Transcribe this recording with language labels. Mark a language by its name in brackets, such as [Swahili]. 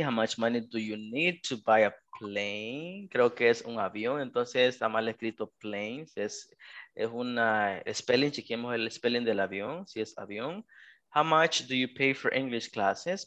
[English] How much money do you need to buy a plane? [Spanish] Creo que es un avión, entonces está mal escrito planes, es una spelling, chequemos el spelling del avión, si es avión. [English] How much do you pay for English classes?